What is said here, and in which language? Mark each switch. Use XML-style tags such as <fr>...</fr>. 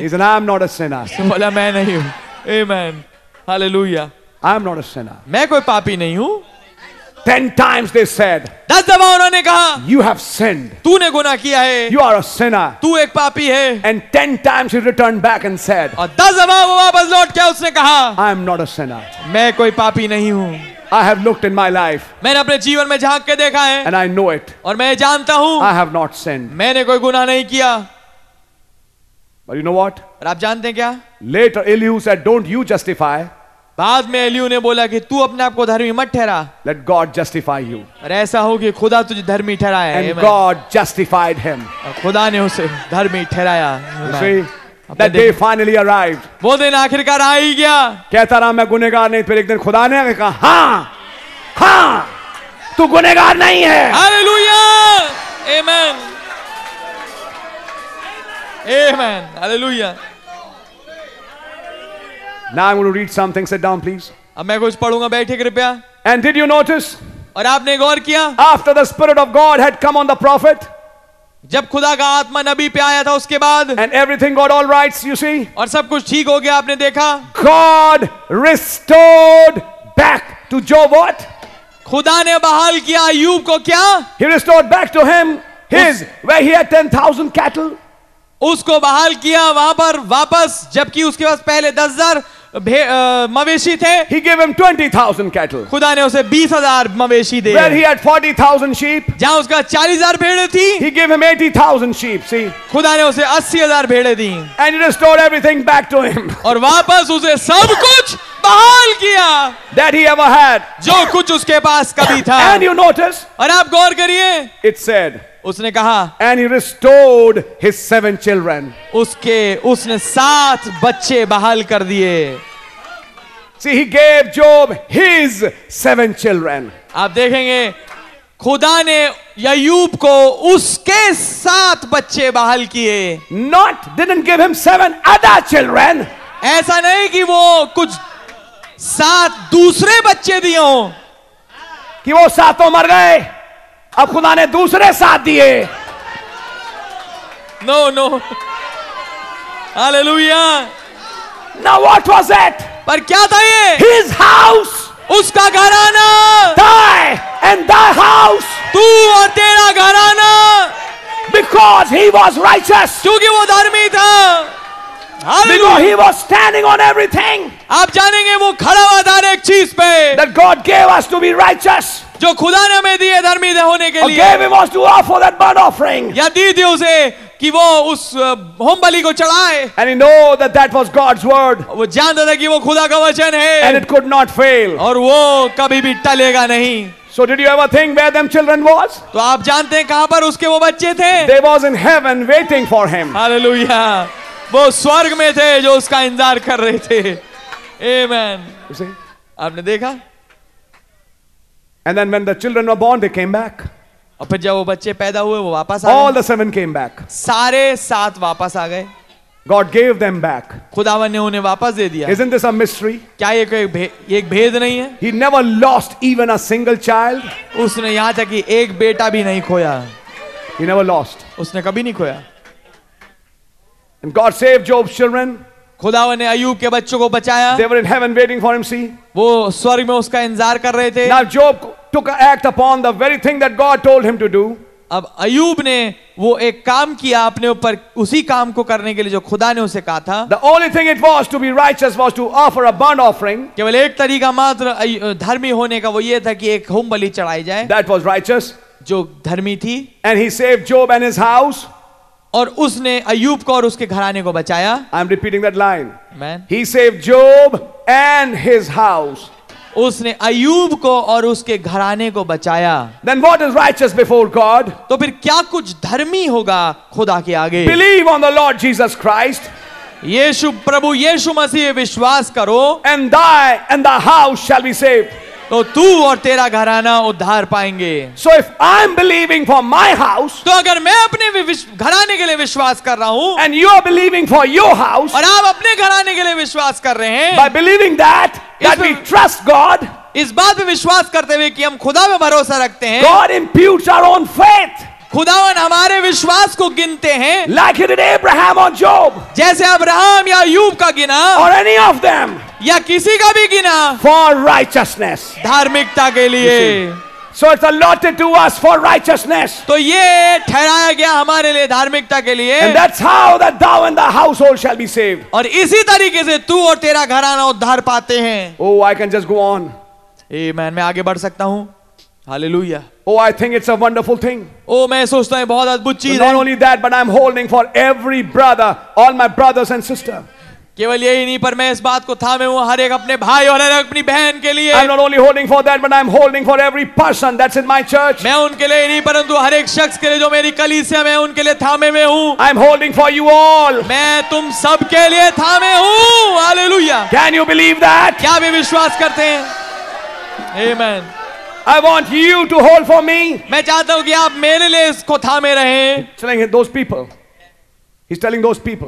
<en>He said, I am not a sinner.</en> <hi>बोला मैं नहीं हूँ. Amen. Hallelujah.</hi> <en>I am not a sinner.</en> <hi>मैं कोई पापी नहीं हूँ.</hi> <en>10 times they said.</en> <hi>10 दफा उन्होंने कहा.</hi> <en>You have sinned.</en> <hi>तूने गुनाह किया है.</hi> <en>You are a sinner.</en> <hi>तू एक पापी है.</hi> <en>And 10 times he returned back and said.</en> <hi>और 10 दफा वो वापस लौट के उसने कहा.</hi> <en>I am not a sinner.</en> <hi>मैं कोई पापी नहीं हूँ.</hi> <en>I have looked in my life.</en> <hi>मैंने अपने जीवन में झांक के देखा है.</hi> <en>And I know it.</en> <hi>और मैं जानता हूँ.</hi> <en>I have not sinned.</en> <hi>मैंने कोई गुनाह नहीं किया.</hi> <en>But you know what?</en> <hi>और आप जानते हैं क्या?</hi> <en>Later, Elihu said, "Don't you justify?"</en> <hi>बाद में एलियू ने बोला कि तू अपने आप को धर्मी मत ठहरा.</hi> <en>Let God justify you.</en> <hi>और ऐसा हो कि खुदा तुझे धर्मी ठहराए.</hi> <en>And God justified him.</en> <hi>खुदा ने उसे धर्मी ठहराया.</hi> <en>That day finally arrived.</en> <hi>वो दिन आखिरकार आ ही गया. कहता रहा मैं गुनेगार नहीं, फिर एक दिन खुदा ने कहा, हाँ, हाँ, तू गुनेगार नहीं है.</hi> <en>Hallelujah. Amen. Amen. Hallelujah. Now I'm going to read something. Sit down, please.</en> <hi>अब मैं कुछ पढूंगा, बैठिए कृपया.</hi> <en>And did you notice?</en> <hi>और आपने गौर किया?</hi> <en>After the Spirit of God had come on the prophet.</en> <hi>जब खुदा का आत्मा नबी पे आया था उसके बाद.</hi> <en>And everything got all right, you see.</en> <hi>और सब कुछ ठीक हो गया, आपने देखा.</hi> <en>God restored back to Job what?</en> <hi>खुदा ने बहाल किया अय्यूब को क्या?</hi> <en>He restored back to him his where he had 10,000 cattle.</en> <hi>उसको बहाल किया वहां पर वापस, जबकि उसके पास पहले 10,000 मवेशी थे.</hi> <en>He gave him 20,000 cattle.</en> <hi>खुदा ने उसे 20,000 मवेशी दिए.</hi> <en>Where he had 40,000 sheep.</en> <hi>जहां उसका 40,000 भेड़े थी.</hi> <en>He gave him 80,000 sheep. See.</en> <hi>खुदा ने उसे 80,000 भेड़े दी.</hi> <en>And he restored everything back to him.</en> <hi>और वापस उसे सब कुछ बहाल किया.</hi> <en>That he ever had.</en> <hi>जो कुछ उसके पास कभी था.</hi> <en>And you notice.</en> <hi>और आप गौर करिए.</hi> <en>It said.</en> <hi>उसने कहा.</hi> <en>And he restored his 7 children.</en> <hi>उसके उसने 7 बच्चे बहाल कर दिए.</hi> <en>See, he gave Job his 7 children.</en> <hi>आप देखेंगे खुदा ने अय्यूब को उसके 7 बच्चे बहाल किए.</hi> <en>Not didn't give him 7 other children.</en> <hi>ऐसा नहीं कि वो कुछ 7 दूसरे बच्चे दिए हों. कि वो 7 मर गए, अब खुदा ने दूसरे 7 दिए.</hi> <en>No no. Hallelujah. Now what was that?</en> <hi>पर क्या था ये?</hi> <en>His house.</en> <hi>उसका घराना.</hi> <en>Thy and thy house.</en> <hi>तू और तेरा घराना.</hi> <en>Because he was righteous.</en> <hi>क्योंकि वो धर्मी था.</hi> <en>Because he was standing on everything.</en> <hi>आप जानेंगे वो खड़ा हुआ था एक चीज पे.</hi> <en>That God gave us to be righteous.</en> <hi>जो खुदा ने हमें दिए धर्मी होने के लिए.</hi> <en>Gave him was to offer that burnt offering.</en> <hi>या दी थी उसे कि वो उस होम बलि को चढ़ाए</hi> <en>and he know that that was God's word</en> <hi>वो जानता था कि वो खुदा का वचन है</hi> <en>and it could not fail</en> <hi>और वो कभी भी टलेगा नहीं</hi> <en>So did you ever think where them children was?</en> <hi>तो आप जानते हैं कहाँ पर उसके वो बच्चे थे?</hi> <en>They was in heaven waiting for him. Hallelujah.</en> <hi>वो स्वर्ग में थे जो उसका इंतजार कर रहे थे. Amen. आपने देखा?</hi> <en>And then when the children were born, they came back.</en> <hi>और फिर जब वो बच्चे पैदा हुए, वो वापस आ गए.</hi> <en>All the seven came back.</en> <hi>सारे सात वापस आ गए.</hi> <en>God gave them back.</en> <hi>खुदावन ने उन्हें वापस दे दिया.</hi> <en>Isn't this a mystery?</en> <hi>क्या ये कोई एक भेद नहीं है?</hi> <en>He never lost even a single child.</en> <hi>उसने यहाँ तक कि एक बेटा भी नहीं खोया.</hi> <en>He never lost.</en> <hi>उसने कभी नहीं खोया.</hi> <en>And God saved Job's children.</en> <hi>खुदावन ने अय्यूब के बच्चों को बचाया.</hi> <en>They were in heaven waiting for him. See?</en> <hi>वो स्वर्ग में उसका इंतजार कर रहे थे.</hi> <en>Now Job took an act upon the very thing that God told him to do.</en> <hi>अब अय्यूब ने वो एक काम किया अपने ऊपर उसी काम को करने के लिए जो खुदा ने उसे कहा था.</hi> <en>The only thing it was to be righteous was to offer a burnt offering.</en> <hi>केवल एक तरीका मात्र धर्मी होने का वो ये था कि एक होम बलि चढ़ाई जाए.</hi> <en>That was righteous.</en> <hi>जो धर्मी थी.</hi> <en>And he saved Job and his house.</en> <hi>और उसने अय्यूब को और उसके घराने को बचाया.</hi> <en>I'm repeating that line. Man. He saved Job and his house.</en> <hi>उसने अय्यूब को और उसके घराने को बचाया.</hi> <en>Then what is righteous before God?</en> <hi>तो फिर क्या कुछ धर्मी होगा खुदा के आगे?</hi> <en>Believe on the Lord Jesus Christ.</en> <hi>यीशु प्रभु यीशु मसीह विश्वास करो.</hi> <en>And thy and the house shall be saved.</en> <hi>तो तू और तेरा घराना उद्धार पाएंगे.</hi> <en>So if I'm believing for my house,</en> <hi>तो अगर मैं अपने घराने के लिए विश्वास कर रहा हूँ,</hi> <en>and you are believing for your house,</en> <hi>और आप अपने घराने के लिए विश्वास कर रहे हैं,</hi> <en>by believing that that we trust God,</en> <hi>इस बात पे विश्वास करते हुए कि हम खुदा में भरोसा रखते हैं,</hi> <en>God imputes our own faith.</en> <hi>खुदावन हमारे विश्वास को गिनते हैं.</hi> <en>Like he did Abraham or Job.</en> <hi>जैसे अब्राहम या अय्यूब का गिना.</hi> <en>Or any of them.</en> <hi>या किसी का भी गिना.</hi> <en>For righteousness.</en> <hi>धार्मिकता के लिए.</hi> <en>So it's allotted to us for righteousness.</en> <hi>तो ये ठहराया गया हमारे लिए धार्मिकता के लिए.</hi> <en>And that's how that thou and the household shall be saved.</en> <hi>और इसी तरीके से तू और तेरा घराना उद्धार पाते हैं.</hi> <en>Oh, I can just go on.</en> <hi>Amen. मैं आगे बढ़ सकता हूँ. Hallelujah.</hi> <en>Oh, I think it's a wonderful thing.</en> <hi>Oh, मैं सोचता हूँ बहुत अद्भुत चीज़</hi> <en>है. Not only that, but I'm holding for every brother, all my brothers and sisters.</en> <hi>केवल यही नहीं पर मैं इस बात को थामे हूँ हर एक अपने भाई और हर एक अपनी बहन के लिए.</hi> <en>I'm not only holding for that, but I'm holding for every person that's in my church.</en> <hi>मैं उनके लिए नहीं परंतु हर एक शख्स के लिए जो मेरी कलीसिया में उनके लिए थामे में हूँ.</hi> <en>I'm holding for you all.</en> <hi>मैं तुम सब के लिए थामे हूँ.</hi> <en>Hallelujah. Can you believe that?</en> <hi>क्या वे विश्वास करते हैं?</hi> <en>Amen. I want you to hold for me.</en> <hi>मैं चाहता हूँ कि आप मेरे लिए इसको थामे रहें.</hi> <en>Telling those people, he's telling those people.</en>